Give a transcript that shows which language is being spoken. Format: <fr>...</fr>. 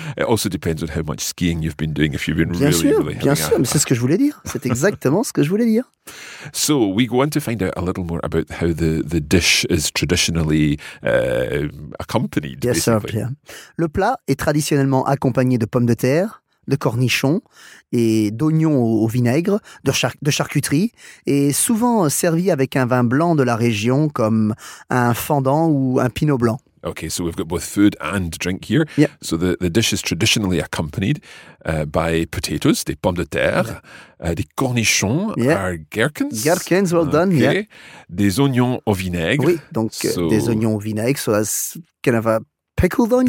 <en>It also depends on how much skiing you've been doing, if you've been</en> <fr>bien</fr> <en>really,</en> <fr>sûr,</fr> <en>really.</en> <fr>Bien sûr, mais c'est ce que je voulais dire. C'est exactement ce que je voulais dire.</fr> <en>So we go on to find out a little more about how the dish is traditionally accompanied. Yes, sir, Pierre.</en> <fr>Le plat est traditionnellement accompagné de pommes de terre, de cornichons et d'oignons au vinaigre, de charcuterie, et souvent servi avec un vin blanc de la région comme un fendant ou un pinot blanc.</fr> <en>Okay, so we've got both food and drink here. Yeah. So the dish is traditionally accompanied by potatoes,</en> <fr>des pommes de terre, des cornichons,</fr> <en>are gherkins. Gherkins, well done,</en> <fr>Des oignons au vinaigre. Oui, donc des oignons au vinaigre,</fr> <en>so that's kind of a... Pickled onions?</en>